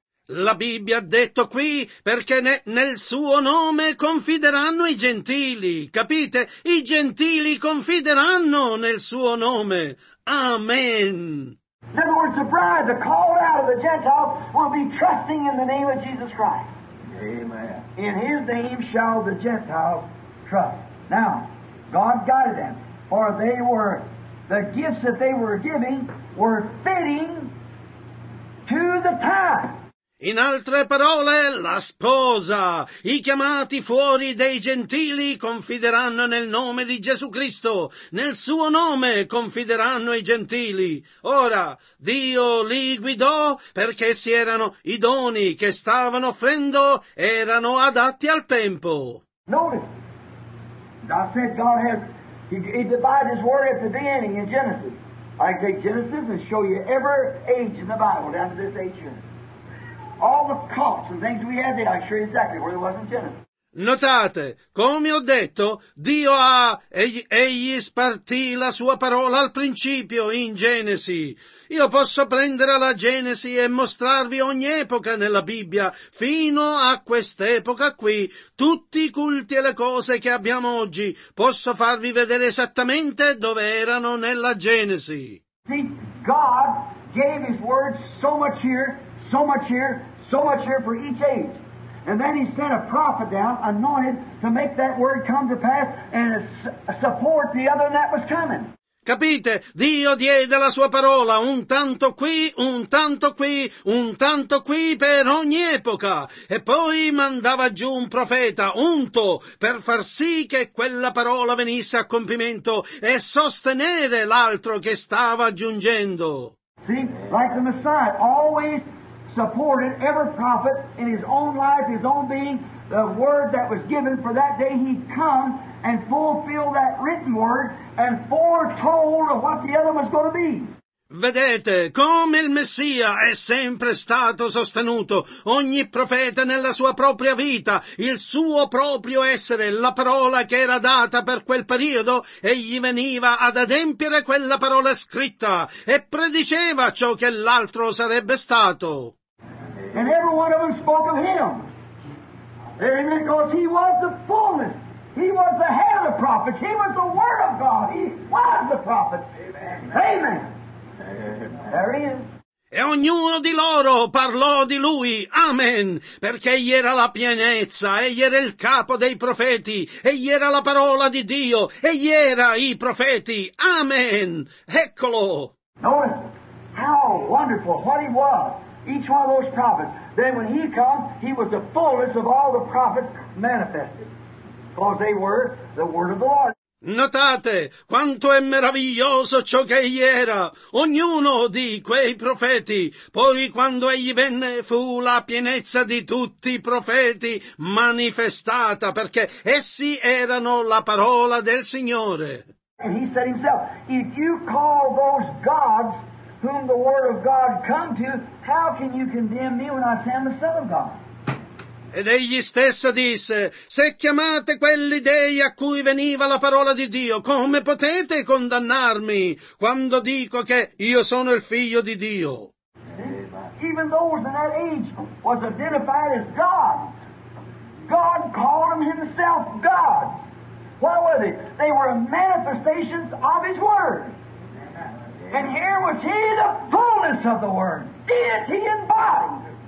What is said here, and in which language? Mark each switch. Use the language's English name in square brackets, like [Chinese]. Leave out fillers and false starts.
[Italian] La Bibbia ha detto qui perché nel suo nome confideranno i gentili, capite? I gentili confideranno nel suo nome. Amen. [English] In other words, the bride, the called out of the Gentiles, will be trusting in the name of Jesus Christ. Amen. In his name shall the Gentiles trust. Now, God guided them, for they were, the gifts that they were giving were fitting to the time. [Italian] In altre parole, la sposa, i chiamati fuori dei gentili confideranno nel nome di Gesù Cristo, nel suo nome confideranno i gentili. Ora, Dio li guidò perché si erano i doni che stavano offrendo erano adatti al tempo. [English] Notice, God said God has, he divided his word at the beginning in Genesis. I can take Genesis and show you every age in the Bible down to this age here. All the cults and things we had there, I can show you exactly where there was in Genesis. [Italian] Notate, come ho detto, Dio ha, egli spartì la sua parola al principio in Genesi. Io posso prendere la Genesi e mostrarvi ogni epoca nella Bibbia, fino a quest'epoca qui, tutti i culti e le cose che abbiamo oggi. Posso farvi vedere esattamente dove erano nella Genesi. [English] See, God gave his word so much here, so much here, so much here for each age. And then he sent a prophet down, anointed, to make that word come to pass and support the other that was coming. [Italian] Capite? Dio diede la sua parola un tanto qui, un tanto qui, un tanto qui per ogni epoca. E poi mandava giù un profeta, unto, per far sì che quella parola venisse a compimento e sostenere l'altro che stava giungendo. [English] See, like the Messiah, always supported every prophet in his own life, his own being, the word that was given for that day he'd come and fulfill that written word and foretold of what the other was going to be. [Italian] Vedete, come il Messia è sempre stato sostenuto, ogni profeta nella sua propria vita, il suo proprio essere, la parola che era data per quel periodo, egli veniva ad adempiere quella parola scritta e prediceva ciò che l'altro sarebbe stato. [English] And every one of them spoke of him. Amen. Because he was the fullness. He was the head of the prophets. He was the word of God. He was the prophet. Amen. Amen. Amen. There he is. [Italian] E ognuno di loro parlò di lui, amen, perché egli era la pienezza, egli era il capo dei profeti, egli era la parola di Dio, egli era i profeti, amen, eccolo. [English] Notice how wonderful what he was, each one of those prophets. Then when he come, he was the fullness of all the prophets manifested, because they were the word of the Lord. [Italian] Notate quanto è meraviglioso ciò che egli era, ognuno di quei profeti, poi quando egli venne fu la pienezza di tutti i profeti manifestata, perché essi erano la parola del Signore. [English] And he said himself, if you call those gods whom the word of God come to, how can you condemn me when I say I'm the son of God? [Italian] Ed egli stesso disse, se chiamate quelli dei a cui veniva la parola di Dio, come potete condannarmi quando dico che io sono il figlio di Dio? [English] Even those in that age was identified as gods. God called them himself gods. What were they? They were manifestations of his word. And here was he, the fullness of the word, deity in body.